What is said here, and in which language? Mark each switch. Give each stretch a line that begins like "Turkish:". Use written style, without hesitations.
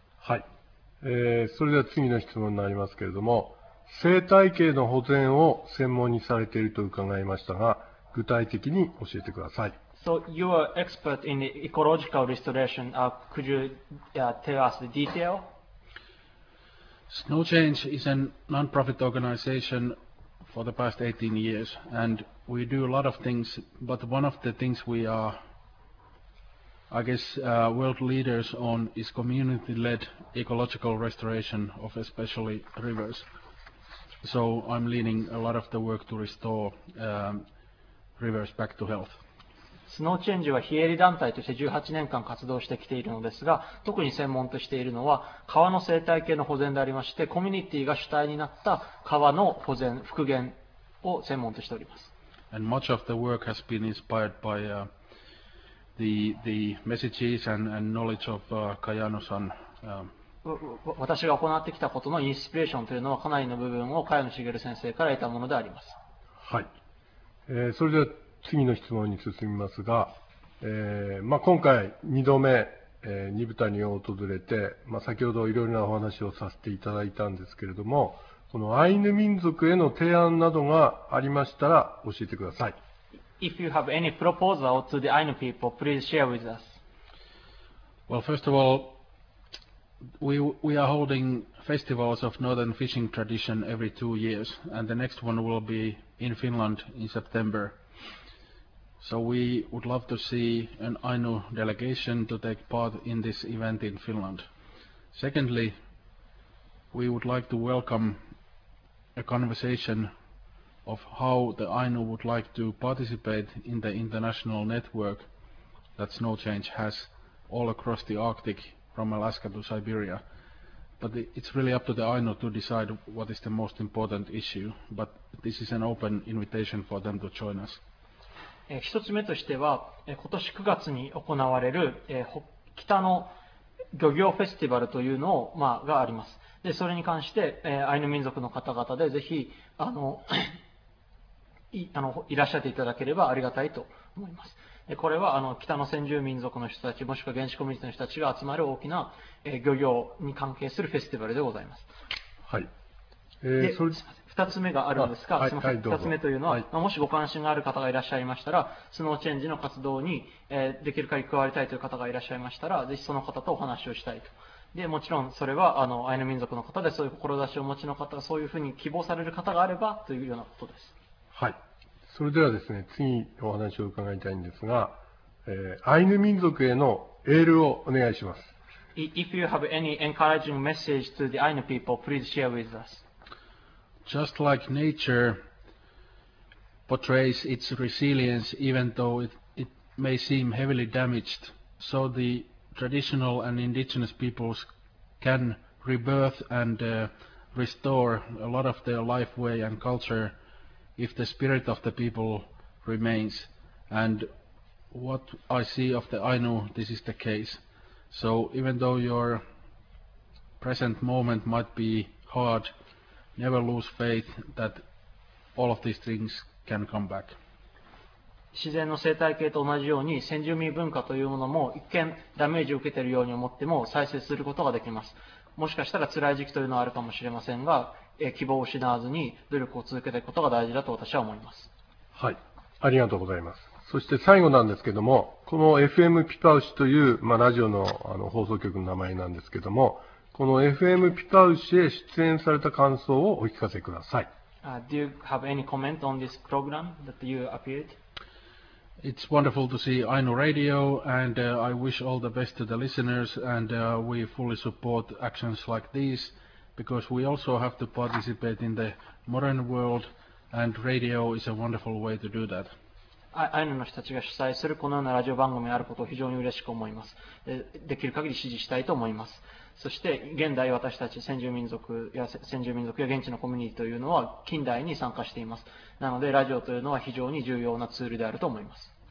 Japanese: はい、それでは次の質問になりますけれども、生態系の保全を専門にされていると伺いましたが、具体的に教えてください。
English: So you are expert in the ecological restoration. Could you tell us the detail? Snow Change is a non-profit organization for the past 18 years, and we do a lot of things, but one of the things we areI guess world leaders on is community-led ecological restoration of especially rivers. So I'm leading a lot of the work to restore rivers back to health.
Japanese: Snow Change は非営利団体として18年間活動してきているのですが、特に専門としているのは川の生態系の保全でありまして、コミュニティが主体になった川の保全、復元を専門としております。
English: And much of the work has been inspired by the messages and knowledge of Kayano-san.
Japanese: 私が行ってきたことのインスピレーションというのは、かなりの部分を茅野茂先生から得たものであります。はい、それでは次の質問に進みますが、今回2度目ニブタニを訪れて、先ほどいろいろなお話をさせていただいたんですけれども、このアイヌ民族への提案などがありましたら教えてください。
English: If you have any proposal to the Ainu people, please share with us. Well, first of all, we are holding festivals of northern fishing tradition every 2 years, and the next one will be in Finland in September. So we would love to see an Ainu delegation to take part in this event in Finland. Secondly, we would like to welcome a conversation of how the Ainu would like to participate in the international network that SnowChange has all across the Arctic from Alaska to Siberia. But it's really up to the Ainu to decide what is the most important issue, but this is an open invitation for them to join us.
Japanese: 一つ目としては、今年9月に行われる北の漁業フェスティバルというのを、まあ、があります。でそれに関して、アイヌ民族の方々でぜひいらっしゃっていただければありがたいと思います。でこれは北の先住民族の人たちもしくは原始コミュニティの人たちが集まる大きな、漁業に関係するフェスティバルでございます。はい、それで2つ目があるんですが、すみません、2つ目というのは、はい、もしご関心がある方がいらっしゃいましたら、スノーチェンジの活動に、できるかり加わりたいという方がいらっしゃいましたら、ぜひその方とお話をしたいと。でもちろんそれはアイヌ民族の方で、そういう志をお持ちの方、そういうふうに希望される方があればというようなことです。はい、それではですね、次お話を伺いたいんですが、アイヌ民族へのエールをお願いします。
English: If you have any encouraging message to the Ainu people, please share with us. Just like nature portrays its resilience even though it may seem heavily damaged, so the traditional and indigenous peoples can rebirth and restore a lot of their life way and culture if the spirit of the people remains. And what I see of the Ainu, this is the case. So even though your present moment might be hard,Never lose faith that all of these things can come back.
Japanese: 自然の生態系と同じように先住民文化というものも一見ダメージを受けているように思っても再生することができます。もしかしたら辛い時期というのはあるかもしれませんが、希望を失わずに努力を続けていくことが大事だと私は思います。はい、ありがとうございます。そして最後なんですけども、この FM ピパウシという、まあ、ラジオ の放送局の名前なんですけども、この FM ピパウシへ出演された感想をお聞かせください。
English: Do you have any comment on this program that you appeared? It's wonderful to see Ainu Radio, and I wish all the best to the listeners, and we fully support actions like these, because we also have to participate in the modern world, and radio is a wonderful way to do that.
Japanese: Ainu の人たちが主催するこのようなラジオ番組があることを非常に嬉しく思います。できる限り支持したいと思います。そして現代私たち先住民族や現地のコミュニティというのは近代に参加しています。なのでラジオというのは非常に重要なツールであると思います。